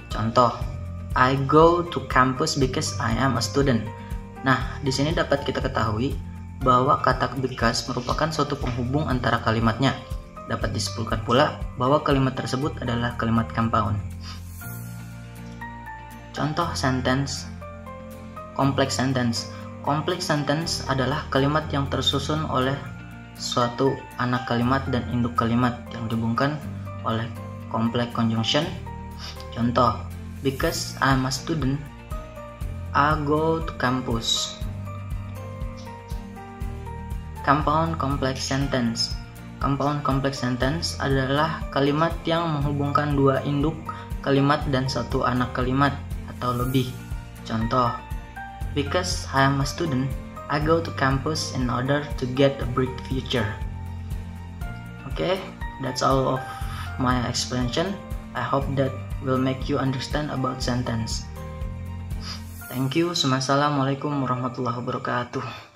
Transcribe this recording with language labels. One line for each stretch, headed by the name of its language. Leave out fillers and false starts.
Indonesian: Contoh,
English: I go to campus because I am a student.
Indonesian: Nah, di sini dapat kita ketahui bahwa kata because merupakan suatu penghubung antara kalimatnya. Dapat disimpulkan pula bahwa kalimat tersebut adalah kalimat compound. Contoh
English: sentence, complex sentence.
Indonesian: Complex sentence adalah kalimat yang tersusun oleh suatu anak kalimat dan induk kalimat yang dihubungkan oleh complex conjunction. Contoh,
English: because I'm a student, I go to campus. Compound complex sentence.
Indonesian: Compound complex sentence adalah kalimat yang menghubungkan dua induk kalimat dan satu anak kalimat atau lebih. Contoh,
English: because I'm a student, I go to campus in order to get a bright future. Okay, that's all of my explanation. I hope that will make you understand about sentence. Thank you.
Arabic: Assalamualaikum warahmatullahi wabarakatuh.